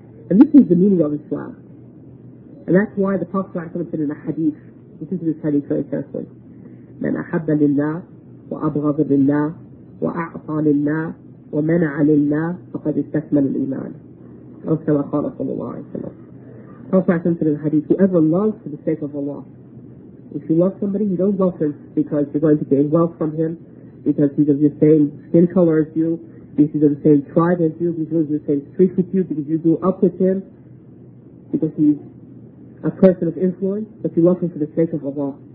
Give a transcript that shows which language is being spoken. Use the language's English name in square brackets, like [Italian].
[English] And this is the meaning of Islam. And that's why the Prophet said in a hadith, listen to this hadith very carefully, [Arabic] من أحب لله وأبغض لله وأعطى لله ومنع لله فقد استكمل الإيمان. أو كما قال صلى الله عليه وسلم. [English] Prophet said in the hadith, whoever loves for the sake of Allah. If you love somebody, you don't love him because you're going to gain wealth from him, because he's of the same skin color as you, because he's of the same tribe as you, because he's of the same street with you, because you grew up with him, because he's a person of influence, but you love him for the sake of Allah.